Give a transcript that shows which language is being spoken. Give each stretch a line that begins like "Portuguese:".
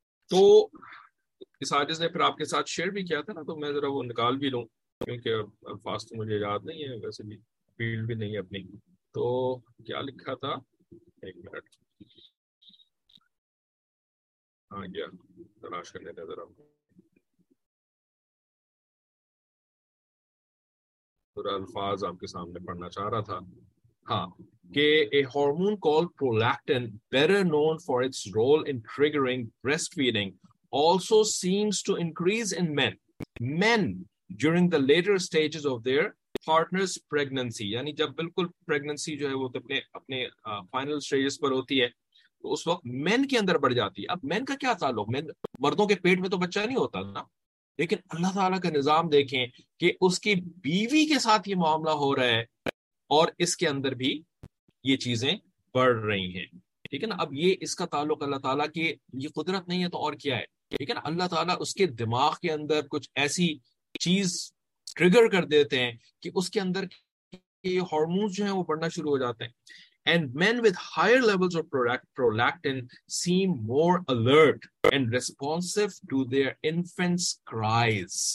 Urdu: تو اس آجز نے پھر آپ کے ساتھ شیئر بھی کیا تھا نا, تو میں ذرا وہ نکال بھی لوں کیونکہ الفاظ تو مجھے یاد نہیں ہے, ویسے بھی فیلڈ بھی نہیں ہے اپنی. تو کیا لکھا تھا, ایک منٹ, ہاں گیا, تلاش کر لیتے ذرا, پورا الفاظ آپ کے سامنے پڑھنا چاہ رہا تھا.
English: A hormone called prolactin, better known for its role in triggering breastfeeding, also seems to increase in men during the later stages of their partner's pregnancy.
Urdu: Yani jab bilkul pregnancy jo hai wo apne final stages par hoti hai, to us waqt men ke andar badh jati hai. Ab men ka kya taluq, men mardon ke pet mein to bachcha nahi hota na, لیکن اللہ تعالیٰ کا نظام دیکھیں کہ اس کی بیوی کے ساتھ یہ معاملہ ہو رہا ہے اور اس کے اندر بھی یہ چیزیں بڑھ رہی ہیں. ٹھیک ہے نا, اب یہ اس کا تعلق اللہ تعالیٰ کی یہ قدرت نہیں ہے تو اور کیا ہے. ٹھیک ہے نا, اللہ تعالیٰ اس کے دماغ کے اندر کچھ ایسی چیز ٹریگر کر دیتے ہیں کہ اس کے اندر یہ ہارمونز جو ہیں وہ بڑھنا شروع ہو جاتے ہیں.
English: And men with higher levels of prolactin seem more alert and responsive to their infant's cries.